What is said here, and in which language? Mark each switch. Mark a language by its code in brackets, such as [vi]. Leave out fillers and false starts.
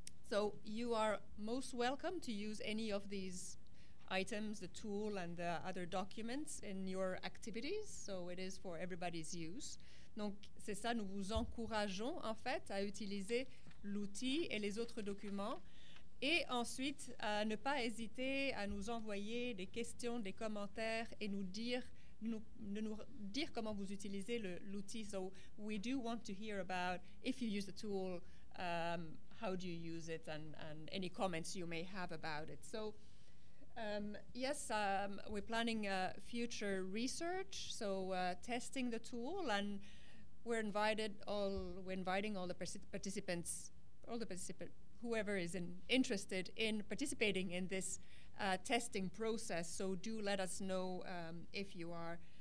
[en] So you are most welcome to use any of these items, the tool and the other documents in your activities, so it is for everybody's use. [fr] Donc c'est ça, nous vous encourageons en fait à utiliser l'outil et les autres documents. Et ensuite, ne pas hésiter à nous envoyer des questions, des commentaires et nous dire comment vous utilisez l'outil. [en] So we do want to hear about if you use the tool, how do you use it and any comments you may have about it. So yes, we're planning future research, so testing the tool, and we're inviting all the participants, whoever is interested in participating in this testing process. So do let us know if you are